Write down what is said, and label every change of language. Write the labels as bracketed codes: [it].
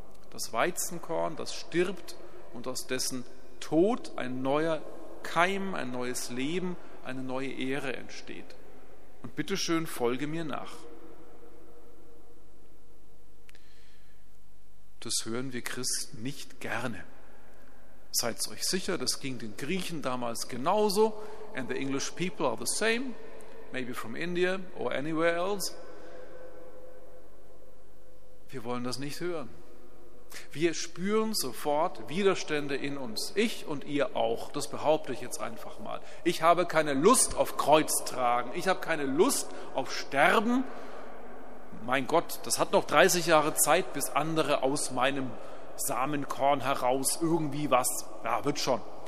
[de] Das Weizenkorn, das stirbt und aus dessen Tod ein neuer Keim, ein neues Leben, eine neue Ehre entsteht. Und bitteschön, folge mir nach. Das hören wir Christen nicht gerne. Seid euch sicher, das ging den Griechen damals genauso. [en] And the English people are the same, maybe from India or anywhere else. [de] Wir wollen das nicht hören. Wir spüren sofort Widerstände in uns. Ich und ihr auch. Das behaupte ich jetzt einfach mal. Ich habe keine Lust auf Kreuz tragen. Ich habe keine Lust auf Sterben. Mein Gott, das hat noch 30 Jahre Zeit, bis andere aus meinem Samenkorn heraus irgendwie was. Ja, wird schon.